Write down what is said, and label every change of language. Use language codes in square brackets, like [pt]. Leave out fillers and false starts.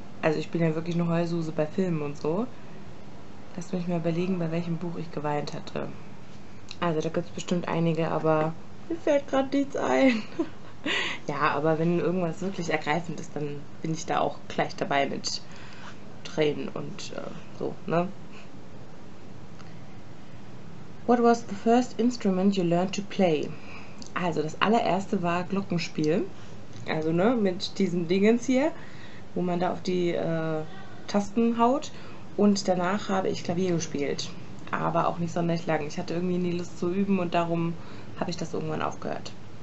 [de] Also ich bin ja wirklich eine Heulsuse bei Filmen und so. Lass mich mal überlegen, bei welchem Buch ich geweint hatte. Also da gibt es bestimmt einige, aber mir fällt gerade nichts ein. Ja, aber wenn irgendwas wirklich ergreifend ist, dann bin ich da auch gleich dabei mit Tränen und so, ne? [en] What was the first instrument you learned to play? [de] Also das allererste war Glockenspiel. Also ne, mit diesen Dingens hier, wo man da auf die Tasten haut. Und danach habe ich Klavier gespielt. Aber auch nicht sonderlich lang. Ich hatte irgendwie nie Lust zu üben und darum habe ich das irgendwann aufgehört.